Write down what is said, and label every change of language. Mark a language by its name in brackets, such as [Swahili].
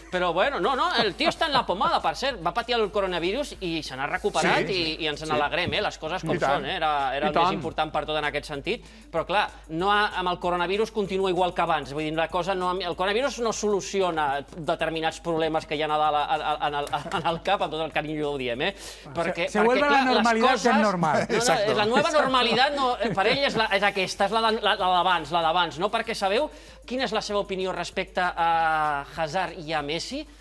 [Catalan] Però bueno, no, no, el tio està en la pomada, per cert. Va patir el coronavirus i se n'ha recuperat i ens n'alegrem, les coses com són. Era el més important per tot en aquest sentit. Però clar, amb el coronavirus continua igual que abans. Vull dir, el coronavirus no soluciona determinats problemes que hi ha en el cap, amb tot el carinyo ho diem. [Spanish] Se vuelve la normalidad que es normal. [Catalan] La nova normalitat, per ell, és aquesta, és la d'abans, no? Perquè sabeu quina és la seva opinió respecte a Hazard i a Messi?